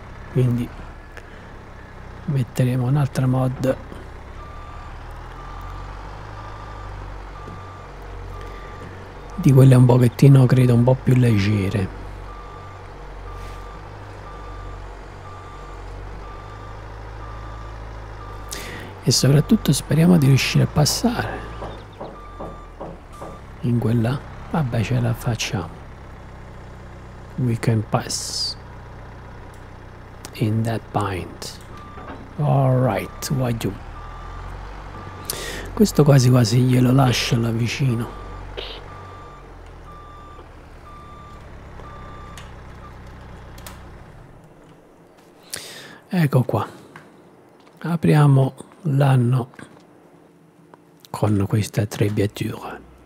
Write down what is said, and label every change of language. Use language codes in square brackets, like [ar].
[it] Quindi metteremo un'altra mod di quelle un pochettino, credo, un po' più leggere. E soprattutto speriamo di riuscire a passare in quella. Vabbè, ce la facciamo. [en] We can pass in that point. [it] Alright, vai giù. Questo quasi quasi glielo lascio là vicino. Ecco qua. Apriamo l'anno con queste tre viature.